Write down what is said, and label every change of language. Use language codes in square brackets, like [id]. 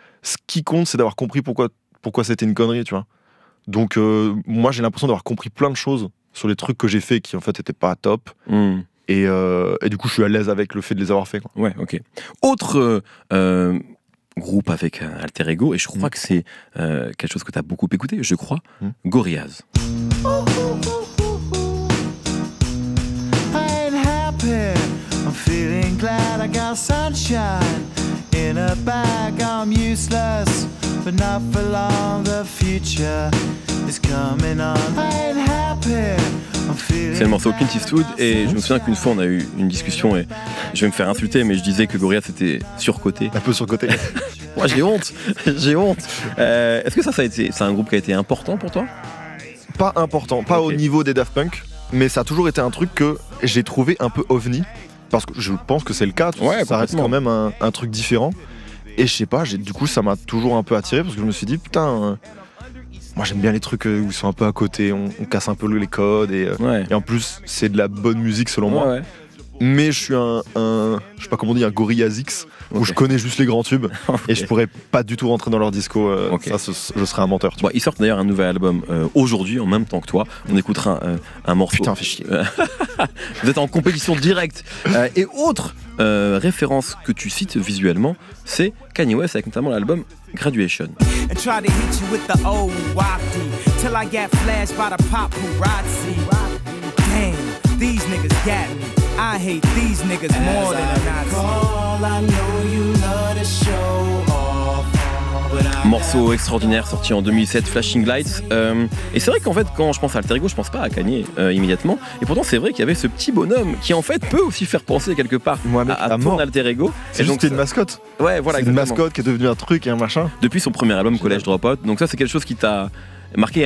[fr] Ce qui compte, c'est d'avoir compris pourquoi c'était une connerie, tu vois. Donc, moi, j'ai l'impression d'avoir compris plein de choses sur les trucs que j'ai fait qui, en fait, n'étaient pas top. Et du coup, je suis à l'aise avec le fait de les avoir fait, quoi. Ouais, ok. Autre groupe avec Alter Ego, et je crois que c'est quelque chose que tu as beaucoup écouté, je crois, Gorillaz. [en] I ain't happy, I'm feeling glad I got sunshine in a bag, I'm useless, but not for long, the future is coming on. I ain't happy. [fr] C'est le morceau Clint Eastwood, et je me souviens qu'une fois on a eu une discussion et je vais me faire insulter, mais je disais que Gorillaz c'était surcoté. Un peu surcoté. Moi j'ai honte. Est-ce que c'est un groupe qui a été important pour toi? Pas important, pas au niveau des Daft Punk, mais ça a toujours été un truc que j'ai trouvé un peu ovni, parce que je pense que c'est le cas, ouais, ça reste quand même un truc différent, et je sais pas, du coup ça m'a toujours un peu attiré, parce que je me suis dit putain... Moi j'aime bien les trucs où ils sont un peu à côté, on casse un peu les codes et, et en plus c'est de la bonne musique selon moi. Mais je suis un je sais pas comment on dit, un Gorillaz X, où je connais juste les grands tubes et je pourrais pas du tout rentrer dans leur disco, ça je serais un menteur. Bon, ils sortent d'ailleurs un nouvel album aujourd'hui en même temps que toi, on écoutera un morceau. Putain, fais chier. Vous êtes en compétition directe. Et autre référence que tu cites visuellement, c'est Kanye West avec notamment l'album Graduation. [en] And try to hit you with the old wacky till I get flashed by the paparazzi. Damn, these niggas got me. I hate these niggas more than a Nazi. Call, I know you know the show. [fr] Morceau extraordinaire sorti en 2007, Flashing Lights. Et c'est vrai qu'en fait, quand je pense à Alter Ego, je pense pas à Kanye immédiatement. Et pourtant, c'est vrai qu'il y avait ce petit bonhomme qui, en fait, peut aussi faire penser quelque part à ton Alter Ego. C'est juste une mascotte. Ouais, voilà. C'est une mascotte qui est devenue un truc et un machin. Depuis son premier album, Collège Dropout. Donc, ça, c'est quelque chose qui t'a marqué.